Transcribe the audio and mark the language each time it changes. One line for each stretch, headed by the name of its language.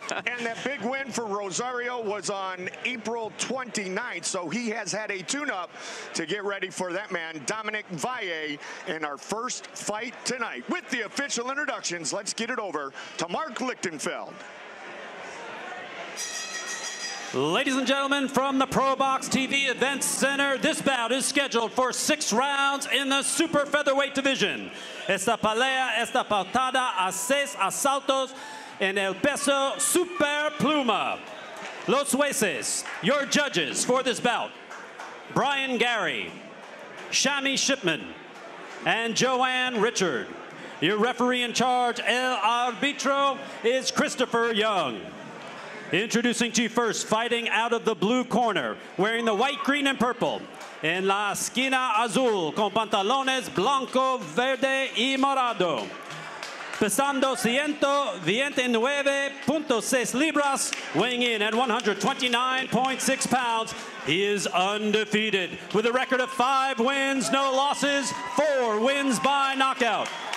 English: And that big win for Rosario was on April 29th, so he has had a tune-up to get ready for that man, Dominic Valle, in our first fight tonight. With the official introductions, let's get it over to Mark Lichtenfeld. Ladies and gentlemen, from the ProBox TV Events Center, this bout is scheduled for 6 rounds in the super featherweight division.
Spanish: Esta pelea está pautada a 6 asaltos en el peso super pluma. Los jueces,
English: your judges for this bout, Brian Gary, Shami Shipman, and Joanne Richard. Your referee in charge,
Spanish: El Arbitro,
English: is Christopher Young. Introducing to you first, fighting out of the blue corner, wearing the white, green, and purple.
Spanish: En la esquina azul, con pantalones blanco, verde, y morado. Pesando 129.6 libras,
English: weighing in at 129.6 pounds. He is undefeated, with a record of 5 wins, no losses, 4 wins by knockout.